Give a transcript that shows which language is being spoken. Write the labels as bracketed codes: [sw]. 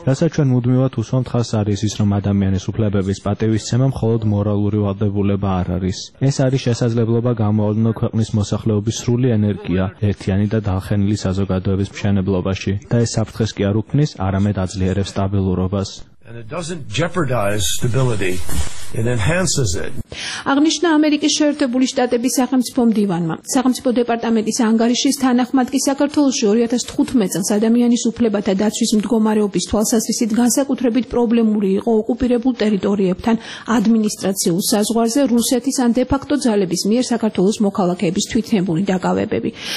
[ka] რასაც ჩვენ მუდმივად უსვამთ ხაზს არის ის, რომ ადამიანის უფლებების პატივისცემა მხოლოდ მორალური ვალდებულება არ არის. ეს არის შესაძლებლობა გამოავლინო ქვეყნის მოსახლეობის სრული ენერგია ერთიანი და დახენილი საზოგადოების მშენებლობაში, და ეს საფრთხეს კი არ უქმნის, არამედ აძლიერებს სტაბილურობას. [en] And it doesn't jeopardize stability, it enhances it. [ka] აღნიშნა ამერიკის შეერთებული შტატების სახელმწიფო მდივანმა. სახელმწიფო დეპარტამენტის ანგარიშის თანახმად კი საქართველოში 2015 წელს ადამიანის უფლებათა დაცვის მდგომარეობის თვალსაზრისით განსაკუთრებით პრობლემური იყო ოკუპირებულ ტერიტორიებთან ადმინისტრაციულ საზღვარზე რუსეთის ან დე-ფაქტო ძალების მიერ საქართველოს მოქალაქეების თვითნებული დაკავებები.